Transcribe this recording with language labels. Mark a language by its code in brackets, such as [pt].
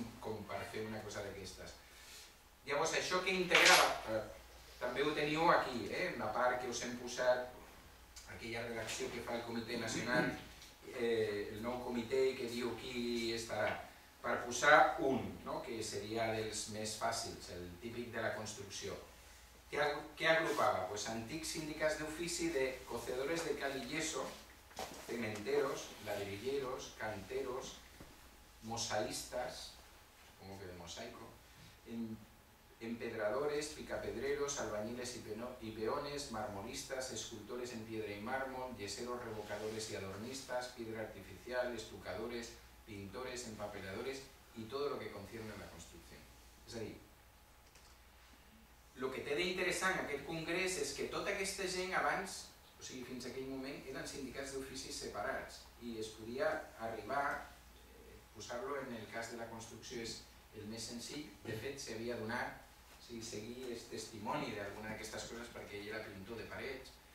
[ca] com per fer una cosa d'aquestes. Llavors, això que integrava, també ho teniu aquí, la part que us hem posat, aquella redacció que fa el Comitè Nacional, el nou comitè que diu qui estarà, per posar un, no? que seria dels més fàcils, el típic de la construcció. Què agrupava? [es] Pues [ca] antics sindicats d'ofici [es] de cocedores de cal y yeso, cementeros, ladrilleros, canteros, mosaístas, como que de mosaico, empedradores, picapedreros, albañiles y peones, marmolistas, escultores en piedra y mármol, yeseros, revocadores y adornistas, piedra artificial, estucadores, pintores, empapeladores y todo lo que concierne a la construcción. Es decir, lo que [ca] té d'interessant aquest congrés és que tota aquesta gent abans, o sigui, fins aquell moment, eren sindicats d'oficis separats i es podia arribar, posar-lo en el cas de la construcció és el més senzill, de fet s'havia donat, o sigui, seguir el testimoni d'alguna d'aquestes coses perquè ell era pintor de parets